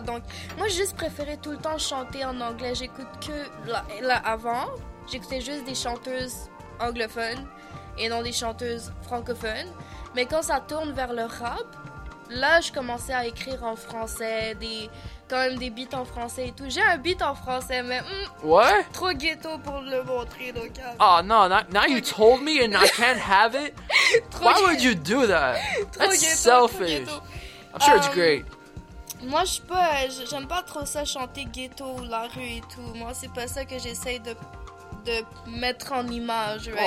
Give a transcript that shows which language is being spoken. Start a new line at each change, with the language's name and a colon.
French: Donc, moi, j'ai juste préféré tout le temps chanter en anglais. J'écoute que... Là, avant, j'écoutais juste des chanteuses anglophones et non des chanteuses francophones. Mais quand ça tourne vers le rap, Là, je commençais à écrire en français, quand même des beats en français et tout. J'ai un beat en français, mais ouais? Trop ghetto pour le montrer, donc.
English: Oh no, now you told me and I can't have it? Why would you do that? That's selfish. I'm sure it's great.
French: Moi, j'aime pas trop ça, chanter ghetto ou la rue et tout. Moi, c'est pas ça que j'essaye de mettre en image,
English: right?